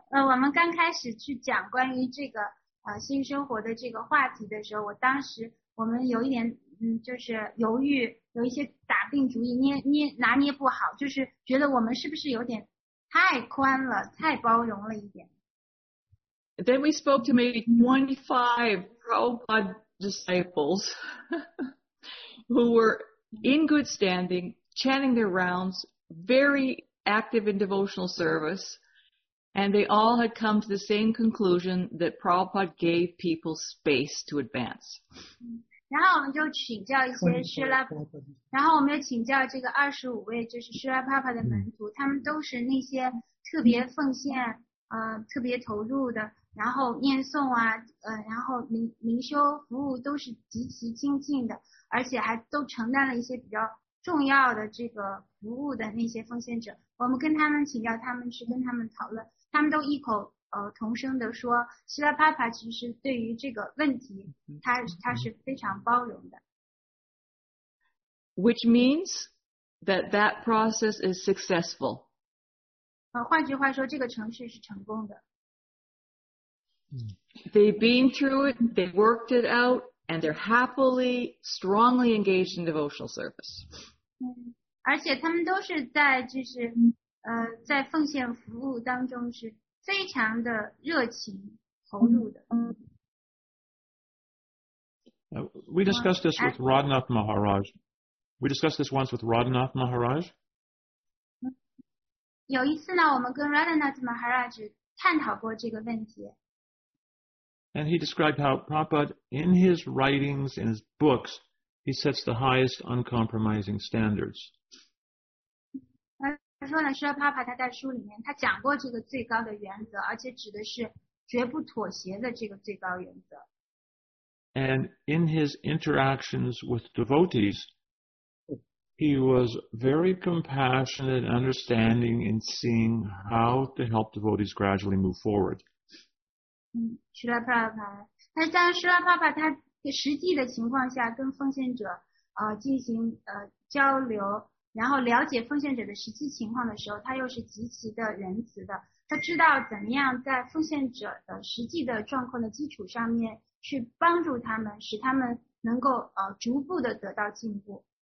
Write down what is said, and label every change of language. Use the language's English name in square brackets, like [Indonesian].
[Chinese] 我们刚开始去讲关于这个性生活的这个话题的时候，我们有一点就是犹豫，有一些打定主意，拿捏不好，就是觉得我们是不是有点太宽了，太包容了一点。 [English] Then we spoke to maybe 25 Prabhupada disciples who were in good standing, chanting their rounds, very active in devotional service, and they all had come to the same conclusion that Prabhupada gave people space to advance. [Chinese] 然后我们就请教这个25位就是施拉帕帕的门徒，他们都是那些特别奉献特别投入的，然后念诵啊然后灵修服务都是极其精进的，而且还都承担了一些比较重要的这个服务的那些奉献者。我们跟他们请教，他们是跟他们讨论，他们都一口同声的说，希拉帕帕其实对于这个问题他是非常包容的。 [English] Which means that process is successful. [Chinese] 换句话说，这个程序是成功的。 [English] They've been through it, they worked it out, and they're happily, strongly engaged in devotional service. [Chinese] 而且他们都是在就是在奉献服务当中是非常的热情投入的。 [English] We discussed this with Radhanath Maharaj. We discussed this once with Radhanath Maharaj. [Chinese] 有一次呢，我们跟 Radhanath Maharaj 探讨过这个问题。 [English] And he described how Prabhupada, in his writings, in his books, he sets the highest uncompromising standards. [Chinese] 他说呢，说帕帕他在书里面他讲过这个最高的原则，而且指的是绝不妥协的这个最高原则。 [English] And in his interactions with devotees, he was very compassionate and understanding in seeing how to help devotees gradually move forward. [Chinese] 施拉帕帕，那在施拉帕帕他实际的情况下跟奉献者进行交流，然后了解奉献者的实际情况的时候，他又是极其的仁慈的。他知道怎么样在奉献者的实际的状况的基础上面去帮助他们，使他们能够逐步的得到进步。